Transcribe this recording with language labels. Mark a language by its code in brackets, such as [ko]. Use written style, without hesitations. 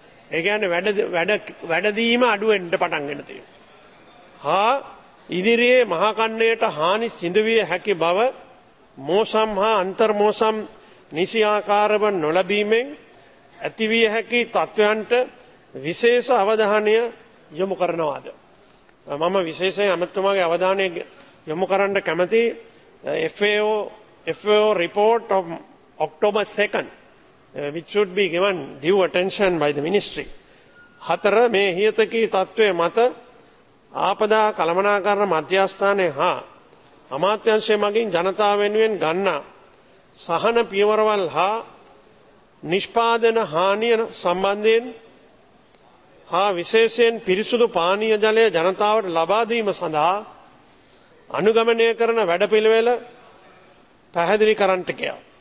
[si] ඒ කියන්නේ වැඩදීම අඩුවෙන්ට පටන් ගෙන තියෙනවා හා ඉදිරියේ මහකන්නයට හානි සිදුවිය හැකි බව, මෝසම් හා අන්තර් මෝසම් නිසි ආකාරව නොලැබීමෙන් ඇතිවිය හැකි තත්ත්වයන්ට විශේෂ අවධානය යොමු කරනවාද? මම විශේෂයෙන් අමතුමාගේ අවධානය යොමු කරන්න කැමති [en] FAO report of October 2 which should be given due attention by the ministry. [si] 4 මේ හියතකී තත්ත්වයේ මත ආපදා කළමනාකරණ මධ්‍යස්ථානය හා අමාත්‍යංශය මගින් ජනතාව වෙනුවෙන් ගන්නා සහන පියවරවල් හා නිෂ්පාදන හානිය සම්බන්ධයෙන් හා විශේෂයෙන් පිරිසුදු පානීය ජලය ජනතාවට ලබා දීම සඳහා අනුගමනය කරන වැඩපිළිවෙල පැහැදිලි කරන්නට කියා.